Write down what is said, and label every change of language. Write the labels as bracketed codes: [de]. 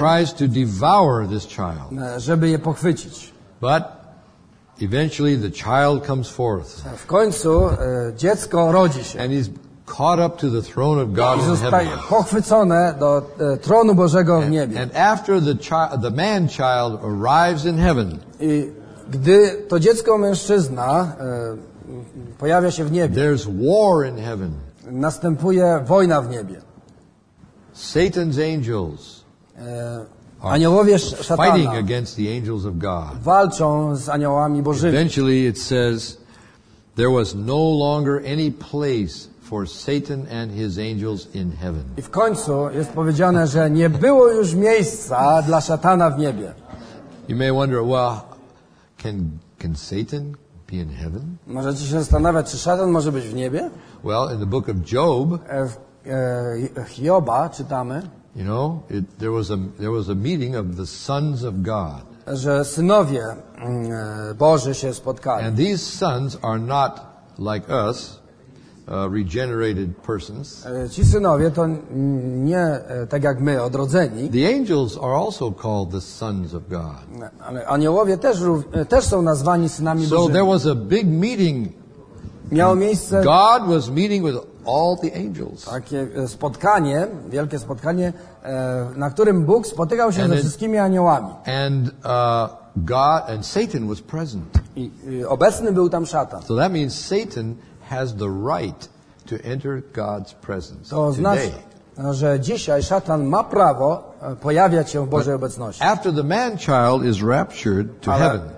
[en] And tries to devour this child. [pl] Żeby je pochwycić. [en] But eventually the child comes forth. [pl] W końcu dziecko rodzi się. [en] And he's caught up to the throne of God in heaven. [pl] Zostaje pochwycone do tronu Bożego w niebie. [en] And after the man child arrives in heaven. [pl] I gdy to dziecko mężczyzna pojawia się w niebie. [en] There's war in heaven. [pl] Następuje wojna w niebie. [en] Satan's angels. [pl] Aniołowie szatana [en] fighting against the angels of God. [pl] Walczą z aniołami Bożymi. [en] Eventually it says there was no longer any place for Satan and his angels in heaven. [pl] I w końcu jest powiedziane, że nie było już miejsca dla szatana w niebie. [en] You may wonder, well, can Satan be in heaven? [pl] Możecie się zastanawiać, czy szatan może być w niebie? [en] Well, in the book of Job, [pl] w Hioba czytamy, [en] you know, there was a meeting of the sons of God. [pl] Że synowie Boży się spotkali. [en] And these sons are not like us, regenerated persons. [pl] Ci synowie to nie tak jak my, odrodzeni. [en] The angels are also called the sons of God. [pl] Ale aniołowie też są nazwani synami Bożymi. [en] So there was a big meeting. [pl] Miało miejsce. [en] God was meeting with all the angels. [pl] Takie spotkanie, wielkie spotkanie, na którym Bóg spotykał się ze wszystkimi aniołami. [en] God and Satan was present. [pl] I obecny był tam szatan. [en] So that means Satan has the right to enter God's presence. [pl] To znaczy, że dzisiaj szatan ma prawo pojawiać się w Bożej obecności. [en] After the man child is raptured to heaven.